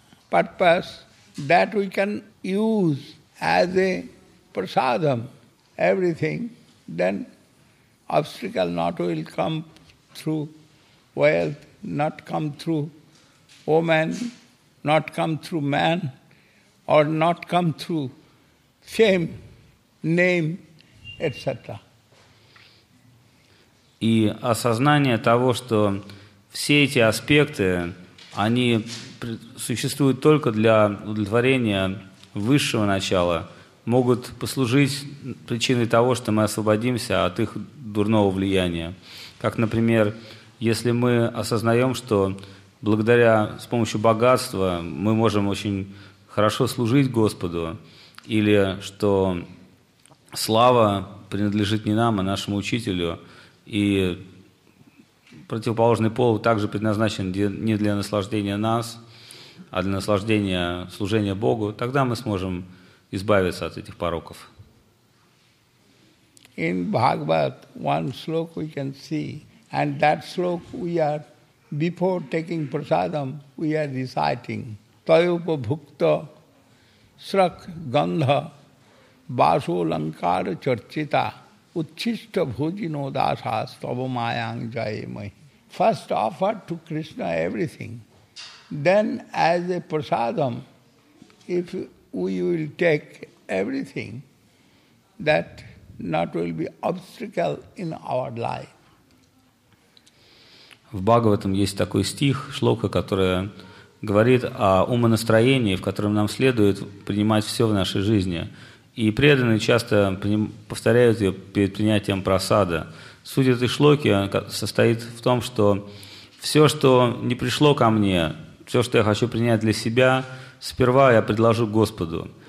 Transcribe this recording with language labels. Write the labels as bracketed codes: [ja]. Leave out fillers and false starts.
[en] purpose, that we can use as a prasadam, everything, then obstacle not will come through wealth, not come through woman, not come through man, or not come through fame, name, etc. [ru] И осознание того, что все эти аспекты, они существуют только для удовлетворения высшего начала, могут послужить причиной того, что мы освободимся от их дурного влияния. Как, например, если мы осознаем, что благодаря, с помощью богатства мы можем очень хорошо служить Господу, или что слава принадлежит не нам, а нашему учителю, и противоположный пол также предназначен не для наслаждения нас, а для наслаждения служения Богу, тогда мы сможем избавиться от этих пороков. [en] In Bhagavat, one slok we can see, and that slok we are, before taking prasadam, we are reciting. [sa] Tayupa bhukta srak gandha vaso lankara charchita uchishta bhojino dasas tava mayang jaye mahi. [en] First offer to Krishna everything. Then as a prasadam, if we will take everything that not will be obstacle in our life. [ru] В Бхагаватам есть такой стих, шлока, который говорит о умонастроении, в котором нам следует принимать все в нашей жизни. И преданные часто повторяют ее перед принятием прасада. Суть этой шлоки состоит в том, что все, что не пришло ко мне, все, что я хочу принять для себя, сперва я предложу Господу.